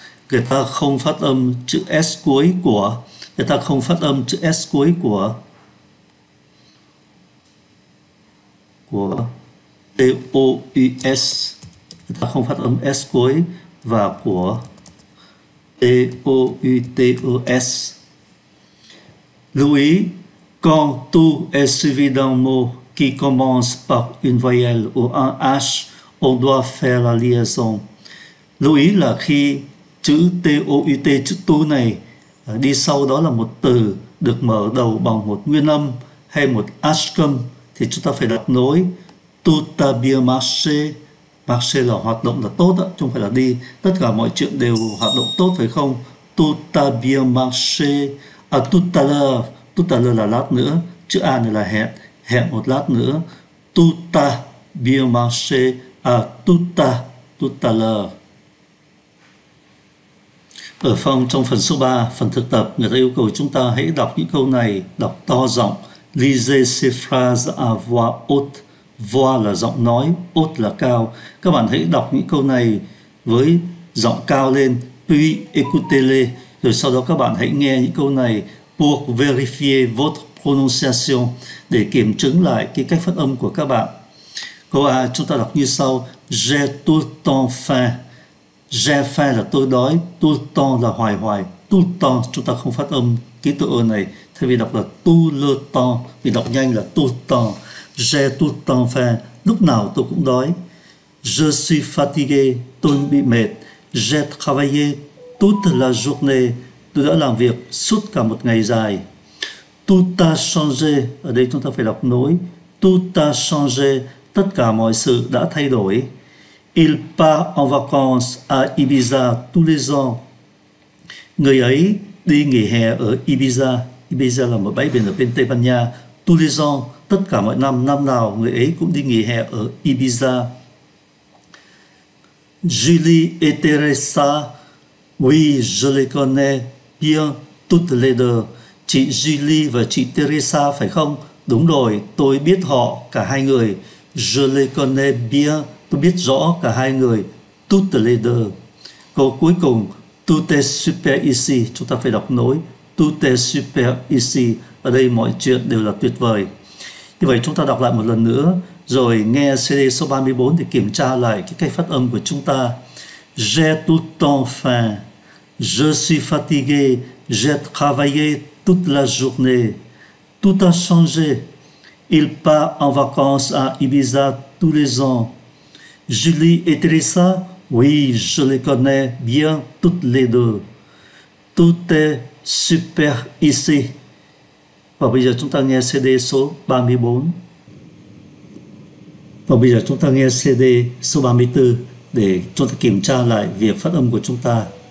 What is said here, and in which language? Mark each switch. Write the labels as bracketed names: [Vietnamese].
[Vietnamese] Người ta không phát âm chữ S cuối của, người ta không phát âm chữ S cuối của T-O-U-S, người ta không phát âm S cuối và của T-O-U-T-E-S. [French] Lưu ý, quand tu est suivi d'un mot qui commence par une voyelle ou un H, on doit faire la liaison. [Vietnamese] Lưu ý là khi chữ T-O-U-T, chữ tu này đi sau đó là một từ được mở đầu bằng một nguyên âm hay một H âm, thì chúng ta phải đặt nối tout a bien marché. Marché là hoạt động là tốt, chứ không phải là đi. Tất cả mọi chuyện đều hoạt động tốt, phải không? [French] Tout a bien marché. À, tout à l'heure là lát nữa. [Vietnamese] Chữ A này là hẹn, hẹn một lát nữa. Tout a bien marché. [French] À, tout à l'heure. [Vietnamese] Ở phòng trong phần số 3, phần thực tập, người ta yêu cầu chúng ta hãy đọc những câu này, đọc to giọng. [French] Lisez ces phrases à voix haute. [Vietnamese] Voix là giọng nói, haute là cao. Các bạn hãy đọc những câu này với giọng cao lên. Puis écoutez-les. Rồi sau đó các bạn hãy nghe những câu này. [French] Pour vérifier votre prononciation. [Vietnamese] Để kiểm chứng lại cái cách phát âm của các bạn. Câu A chúng ta đọc như sau. [French] J'ai tout le temps faim. J'ai faim là tôi đói. [Vietnamese] Tout le temps là hoài hoài. Tout le temps, chúng ta không phát âm cái từ ơ này. Thay vì đọc là tout le temps, vì đọc nhanh là tout le temps. [French] J'ai tout le temps faim, lúc nào tôi cũng đói. Je suis fatigué, tôi bị mệt. [Vietnamese] J'ai travaillé toute la journée, tôi đã làm việc suốt cả một ngày dài. Tout a changé, ở đây chúng ta phải đọc nối. Tout a changé, tất cả mọi sự đã thay đổi. [French] Il part en vacances à Ibiza tous les ans. [Vietnamese] Người ấy đi nghỉ hè ở Ibiza. Ibiza là một bãi biển ở bên Tây Ban Nha. Tous les ans, tất cả mọi năm, năm nào người ấy cũng đi nghỉ hè ở Ibiza. [French] Julie et Teresa, oui, je les connais bien toutes les deux. [Vietnamese] Chị Julie và chị Teresa phải không? Đúng rồi, tôi biết họ, cả hai người. Je les connais bien, tôi biết rõ cả hai người. Toutes les deux. Câu cuối cùng, tout est super ici. Chúng ta phải đọc nối. [French] Tout est super ici. [Vietnamese] Ở đây mọi chuyện đều là tuyệt vời. Như vậy chúng ta đọc lại một lần nữa, rồi nghe CD số 34 để kiểm tra lại cái cách phát âm của chúng ta. [French] J'ai tout le temps faim. Je suis fatigué. J'ai travaillé toute la journée. Tout a changé. Il part en vacances à Ibiza tous les ans. Julie et Teresa, oui, je les connais bien toutes les deux. Tout est super ici. [Vietnamese] Và bây giờ chúng ta nghe CD số 34. Và bây giờ chúng ta nghe CD số 34 để chúng ta kiểm tra lại việc phát âm của chúng ta.